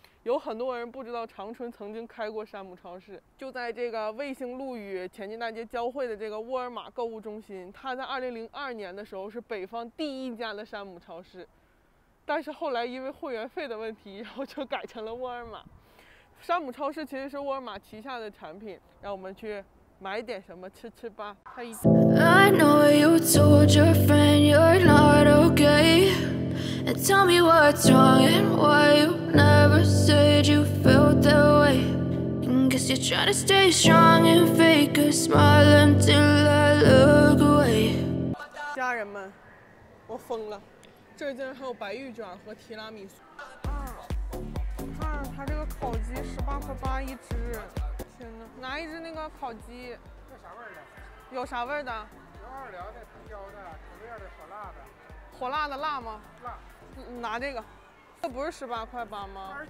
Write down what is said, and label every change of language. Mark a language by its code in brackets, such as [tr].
[zh] 有很多人不知道长春曾经开过山姆超市，就在这个卫星路与前进大街交汇的这个沃尔玛购物中心。它在2002年的时候是北方第一家的山姆超市，但是后来因为会员费的问题，然后就改成了沃尔玛。山姆超市其实是沃尔玛旗下的产品，让我们去买点什么吃吃吧。他一 [en] I know you told your friend you're not okay And tell me what's wrong And why you never said you felt that way Guess you're trying to stay strong And fake a smile until I look away [zh] 家人们，我疯了，这里竟然还有白玉卷和提拉米苏。看他这个烤鸡18.8一只，拿一只那个烤鸡，这啥味儿的？有啥味儿的？有二两的、藤椒的、土面的、火辣的。火辣的辣吗？辣。拿这个，这不是18.8吗？